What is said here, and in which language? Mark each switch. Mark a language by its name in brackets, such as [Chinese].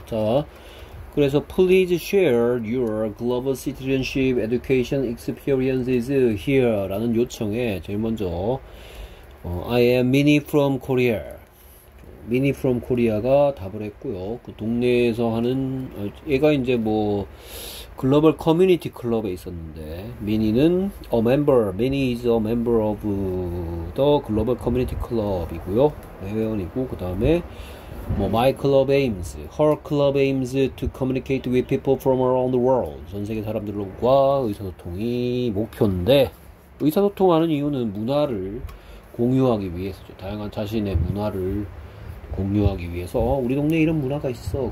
[Korean] 자, 그래서 [English] Please share your global citizenship education experiences here [Korean] 라는 요청에 제일 먼저 [English] I am Minnie from Korea. [Korean] Minnie from Korea가 답을 했고요. 그 동네에서 하는 얘가 이제 뭐 글로벌 커뮤니티 클럽에 있었는데 미니는 [English] a member. Minnie is a member of the [Korean] 글로벌 커뮤니티 클럽이고요. 회원이고 그다음에 뭐 [English] my club aims, her club aims to communicate with people from around the world. [Korean] 전 세계 사람들과 의사소통이 목표인데 의사소통하는 이유는 문화를 공유하기 위해서죠. 다양한 자신의 문화를 공유하기 위해서 우리 동네에 이런 문화가 있어.